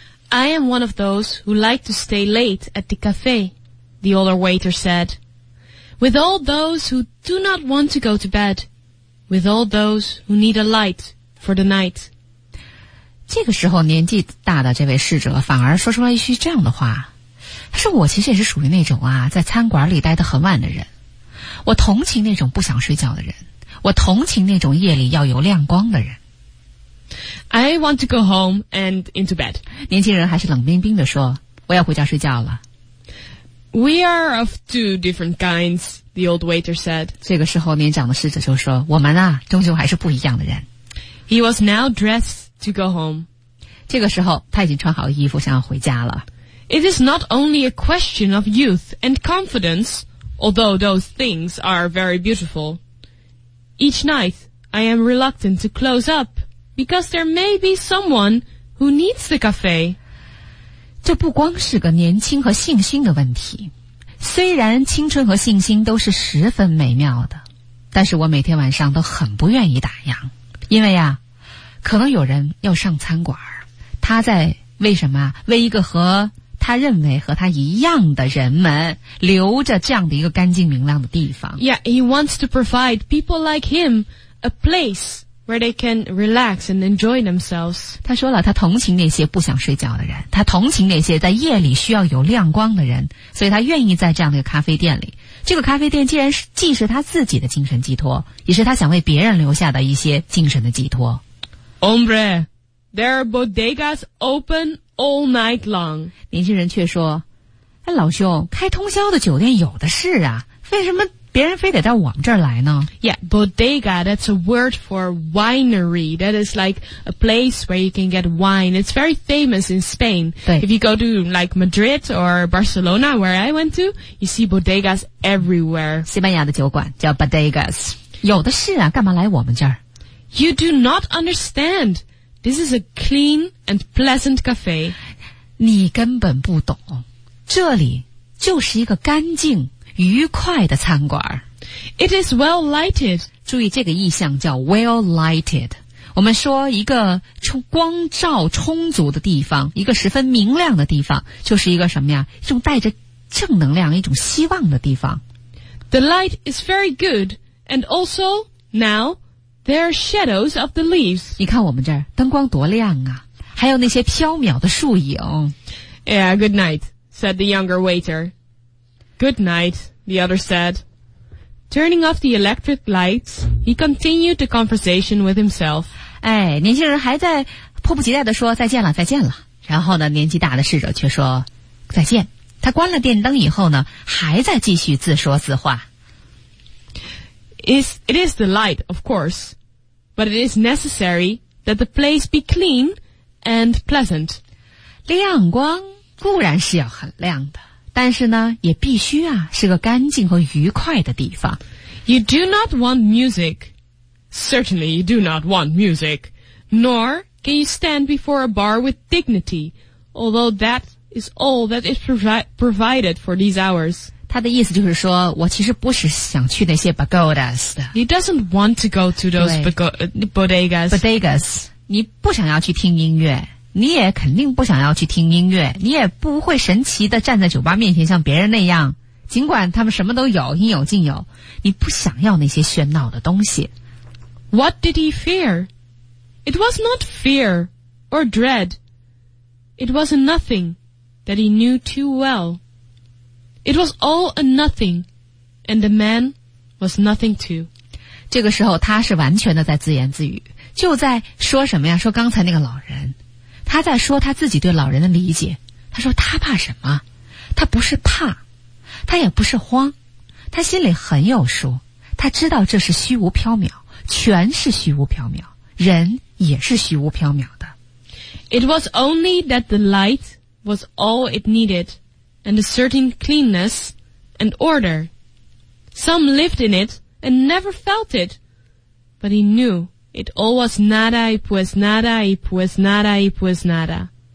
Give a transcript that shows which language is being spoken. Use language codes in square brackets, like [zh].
[en] I am one of those who like to stay late at the cafe, the older waiter said. With all those who do not want to go to bed. With all those who need a light for the night. [zh] 这个时候年纪大的这位侍者反而说出了一句这样的话。他说我其实也是属于那种啊在餐馆里待得很晚的人。我同情那种不想睡觉的人。我同情那种夜里要有亮光的人。 [en] I want to go home and into bed. [zh] 年轻人还是冷冰冰地说，我要回家睡觉了。 [en] We are of two different kinds, the old waiter said. [zh] 这个时候年长的侍者就说，我们啊，终究还是不一样的人。 [en] He was now dressed to go home. [zh] 这个时候他已经穿好衣服想要回家了。 [en] It is not only a question of youth and confidence, although those things are very beautiful. Each night, I am reluctant to close up. Because there may be someone who needs the cafe. [zh] 这不光是个年轻和信心的问题。虽然青春和信心都是十分美妙的，但是我每天晚上都很不愿意打烊，因为啊，可能有人要上餐馆，他在为什么为一个和他认为和他一样的人们留着这样的一个干净明亮的地方。 [en] Yeah, he wants to provide people like him a placeWhere they can relax and enjoy themselves. [zh] 他说了，他同情那些不想睡觉的人，他同情那些在夜里需要有亮光的人，所以他愿意在这样的一个咖啡店里。这个咖啡店既然是既是他自己的精神寄托，也是他想为别人留下的一些精神的寄托。 [en] Hombre, there are bodegas open all night long. [zh] 年轻人却说，哎，老兄，开通宵的酒店有的是啊，为什么？别人非得到我们这儿来呢? [en] Yeah, bodega, that's a word for winery. That is like a place where you can get wine. It's very famous in Spain. If you go to like Madrid or Barcelona, where I went to, you see bodegas everywhere. [zh] 西班牙的酒馆叫 bodegas. 有的是啊,干嘛来我们这儿? [en] You do not understand. This is a clean and pleasant cafe. [zh] 你根本不懂。这里就是一个干净。愉快的餐馆。 [en] It is well lighted. [zh] 注意这个意象叫 well lighted. 我们说一个光照充足的地方，一个十分明亮的地方，就是一个什么呀？一种带着正能量、一种希望的地方。 [en] The light is very good, and also now there are shadows of the leaves. [zh] 你看我们这儿灯光多亮啊，还有那些飘渺的树影。 [en] Yeah, good night, said the younger waiter. Good night, the other said. Turning off the electric lights, he continued the conversation with himself. [zh] 哎，年轻人还在迫不及待地说再见了，再见了。然后呢，年纪大的侍者却说再见。他关了电灯以后呢，还在继续自说自话。 [en] It is the light, of course, but it is necessary that the place be clean and pleasant. [zh] 亮光固然是要很亮的，但是呢，也必须啊，是个干净和愉快的地方。 [en] You do not want music. Certainly you do not want music. Nor can you stand before a bar with dignity, although that is all that is provided for these hours. [zh] 他的意思就是说，我其实不是想去那些 bodegas 的。 [en] He doesn't want to go to those bodegas. [zh] Bodegas. 你不想要去听音乐。你也肯定不想要去听音乐，你也不会神奇地站在酒吧面前像别人那样，尽管他们什么都有，应有尽有，你不想要那些喧闹的东西。 [en] What did he fear? It was not fear or dread. It was a nothing that he knew too well. It was all a nothing, and the man was nothing too. [zh] 这个时候他是完全的在自言自语，就在说什么呀？说刚才那个老人。他在说他自己对老人的理解，他说他怕什么？他不是怕，他也不是慌，他心里很有数，他知道这是虚无缥缈，全是虚无缥缈，人也是虚无缥缈的。 [en] It was only that the light was all it needed, and a certain cleanness and order. Some lived in it and never felt it, but he knew. It all was nada, it was nada, it was nada, it was nada.